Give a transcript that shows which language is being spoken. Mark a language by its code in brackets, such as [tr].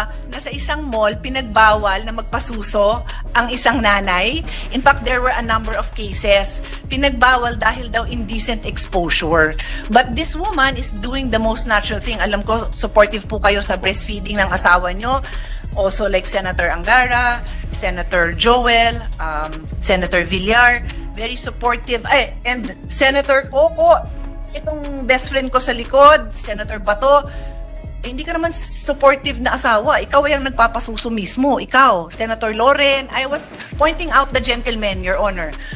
[tl] Nasa isang mall, pinagbawal na magpasuso ang isang nanay. [en] In fact, there were a number of cases. [tl] Pinagbawal dahil daw [en] indecent exposure. But this woman is doing the most natural thing. [tl] Alam ko, supportive po kayo sa breastfeeding ng asawa nyo. [en] Also like Senator Angara, Senator Joel, Senator Villar, very supportive. [tl] Ay, and Senator Coco, itong best friend ko sa likod, Senator Bato, eh, hindi ka naman supportive na asawa. Ikaw ay ang nagpapasuso mismo. Ikaw, Senator Loren. [en] I was pointing out the gentleman, Your Honor.